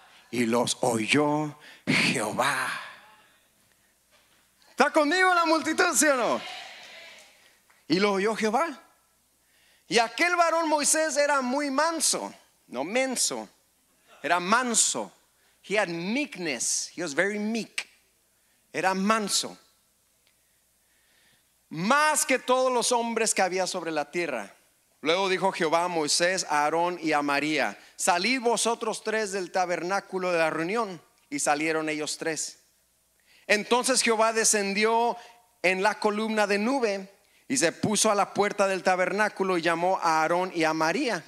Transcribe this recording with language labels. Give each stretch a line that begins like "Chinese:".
Spanish: Y los oyó Jehová. ¿Está conmigo la multitud, sí o no? Y lo oyó Jehová. Y aquel varón Moisés era muy manso, no menso, era manso.
English: He had meekness, he was very meek.
Spanish: Era manso, más que todos los hombres que había sobre la tierra. Luego dijo Jehová a Moisés, a Aarón y a María: salid vosotros tres del tabernáculo de la reunión. Y salieron ellos tres. Entonces Jehová descendió en la columna de nube y se puso a la puerta del tabernáculo y llamó a Aarón y a María.